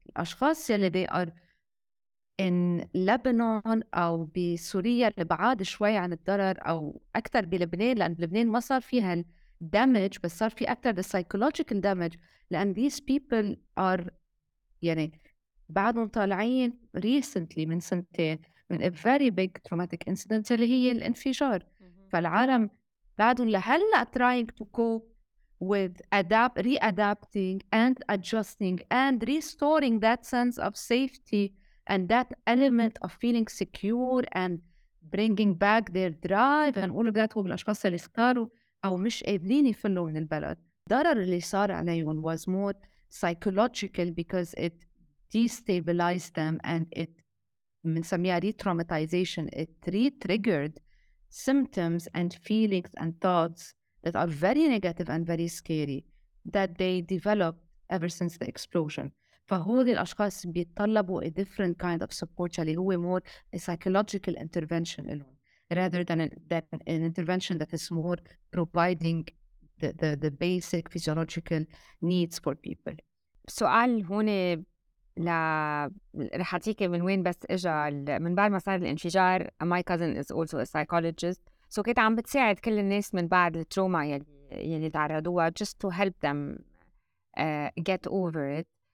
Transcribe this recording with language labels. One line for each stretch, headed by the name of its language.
Arabic: الأشخاص يلي
English: they are in Lebanon
Arabic: أو بسوريا لبعاد شوي عن الضرر أو أكثر بلبنان لأن لبنان ما صار فيها damage بس صار في أكثر
English: the psychological damage
Arabic: لأن
English: these people are
Arabic: بعدهم طالعين recently من سنتين من
English: a very big traumatic incident
Arabic: اللي هي الانفجار. فالعالم بعدهم لهلأ
English: trying to cope with readapting and adjusting and restoring that sense of safety and that element of feeling secure and bringing back their drive and all of that.
Arabic: وبالأشخاص اللي اختاروا أو مش قابلين يفلوا من البلد ضرر اللي صار عليهم
English: was more psychological because it destabilized them and it منسميها re-traumatization, it re-triggered symptoms and feelings and thoughts that are very negative and very scary that they developed ever since the explosion.
Arabic: فهودي الأشخاص بيتطلبوا
English: a different kind of support
Arabic: اللي هو
English: more a psychological intervention. rather than an intervention that is more providing the basic physiological needs for people.
Arabic: سؤال هون ل رح اعطيك من وين بس اجى من بعد ما صار الانفجار.
English: My cousin is also a psychologist.
Arabic: So كنت عم بتساعد كل الناس من بعد التروما يلي تعرضوها
English: just to help them get over it.